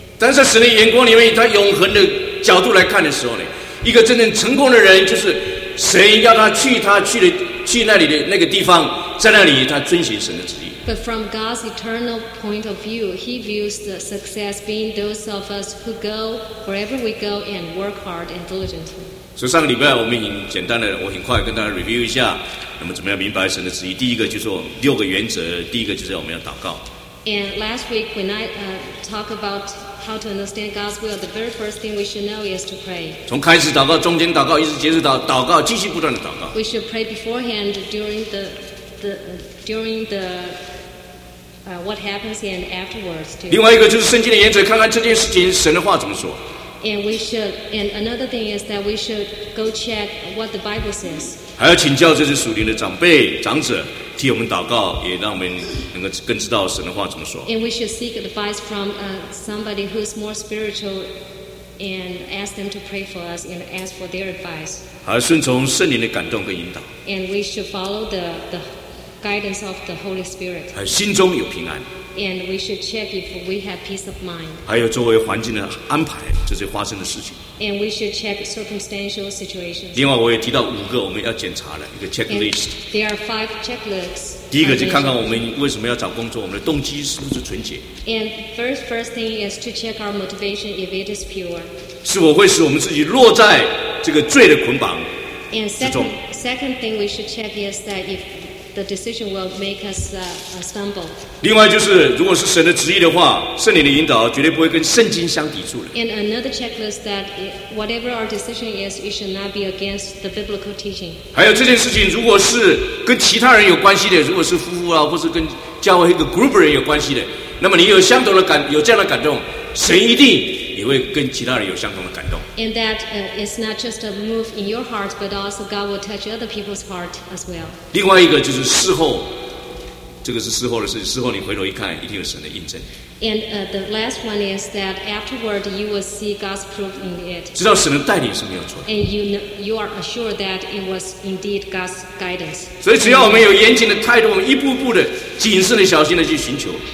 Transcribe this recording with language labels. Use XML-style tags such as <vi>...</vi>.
<zh>但是在神的眼光里面，他永恒的角度来看的时候呢，一个真正成功的人就是。神要他去，他去的去那里的那个地方，在那里他遵循神的旨意。</zh> <en>But from God's eternal point of view, He views the success being those of us who go wherever we go and work hard and diligently.</en> <zh>所以上个礼拜我们很简单的，我很快跟大家</zh> <en>review</en> <zh>一下，那么怎么样明白神的旨意？第一个就是说六个原则，第一个就是我们要祷告。</zh> <en>And last week when I talk about how to understand God's will, the very first thing we should know is to pray.</en> <zh>从开始祷告、中间祷告、一直结束祷告、继续不断的祷告。</zh> <en>We should pray beforehand during what happens and afterwards too.</en> <zh>另外一个就是圣经的原则，看看这件事情神的话怎么说。</zh> <en>And another thing is that we should go check what the Bible says.</en> <zh>还要请教这些属灵的长辈长者替我们祷告，也让我们能够更知道神的话怎么说。</zh> <en>And we should seek advice from somebody who's more spiritual and ask them to pray for us and ask for their advice.</en> <zh>还顺从圣灵的感动跟引导。</zh> <en>And we should follow the guidance of the Holy Spirit.</en> <zh>还心中有平安。</zh> <en>And we should check if we have peace of mind.</en> <zh>还有周围环境的安排，这些发生的事情。</zh> <en>And we should check circumstantial situations.</en> <zh>另外我也提到五个我们要检查的一个</zh> <en>checklist. There are five checklists.</en> <zh>第一个就看看我们为什么要找工作，我们的动机是不是纯洁。</zh> <en>And first thing is to check our motivation if it is pure.</en> <zh>是否会使我们自己落在这个罪的捆绑之中。</zh> <en>And second thing we should check is that if the decision will make us stumble.</en> <zh>另外就是如果是神的旨意的话，圣灵的引导绝对不会跟圣经相抵触的。</zh> <en>And another checklist that whatever our decision is, it should not be against the biblical teaching.</en> <zh>还有这件事情如果是跟其他人有关系的，如果是夫妇啊，或是跟教会一个 group 人有关系的，那么你有相同的感，有这样的感动，神一定也会跟其他人有相同的感动。</zh> <en>And that it's not just a move in your heart, but also God will touch other people's heart as well.</en> <zh>另外一个就是事后，这个是事后的事，事后你回头一看，一定有神的印证。</zh> <en>And the last one is that afterward you will see God's proof in it.</en> <zh>知道神的带领是没有错。</zh> <en>And you are assured that it was indeed God's guidance.</en> <zh>所以只要我们有严谨的态度，我们一步步的谨慎的小心的去寻求。</zh>